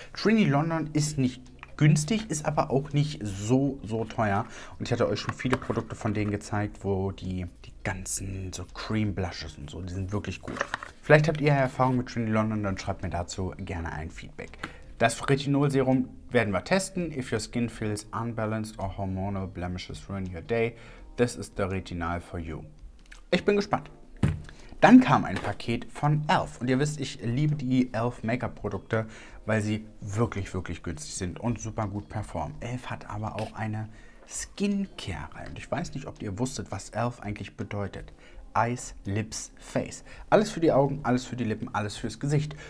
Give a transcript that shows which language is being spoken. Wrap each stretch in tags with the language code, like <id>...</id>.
<de>Trini London ist nicht günstig, ist aber auch nicht so teuer. Und ich hatte euch schon viele Produkte von denen gezeigt, wo die ganzen so Cream Blushes und so, die sind wirklich gut. Vielleicht habt ihr Erfahrung mit Trini London, dann schreibt mir dazu gerne ein Feedback. Das Retinol-Serum werden wir testen.</de> <en>If your skin feels unbalanced or hormonal blemishes ruin your day, this is the Retinal for you.</en> <de>Ich bin gespannt. Dann kam ein Paket von e.l.f. Und ihr wisst, ich liebe die e.l.f. Make-up-Produkte, weil sie wirklich, wirklich günstig sind und super gut performen. e.l.f. hat aber auch eine Skincare-Reihe. Und ich weiß nicht, ob ihr wusstet, was e.l.f. eigentlich bedeutet. Eyes, Lips, Face. Alles für die Augen, alles für die Lippen, alles fürs Gesicht.</de>